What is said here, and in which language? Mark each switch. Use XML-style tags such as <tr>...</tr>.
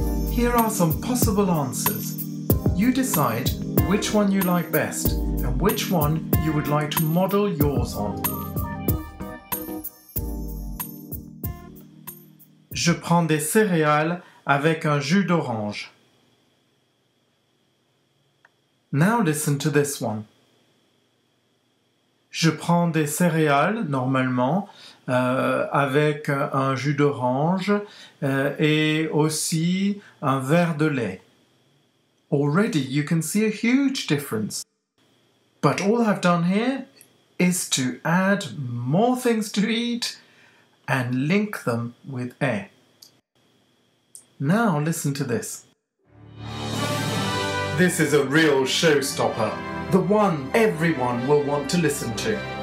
<en>Here are some possible answers. You decide which one you like best and which one you would like to model yours on.</en> <fr>Je prends des céréales avec un jus d'orange.</fr> <en>Now listen to this one.</en> <fr>Je prends des céréales normalement avec un jus d'orange et aussi un verre de lait.</fr> <en>Already you can see a huge difference. But all I've done here is to add more things to eat and link them with air. Now listen to this. This is a real showstopper. The one everyone will want to listen to.</en>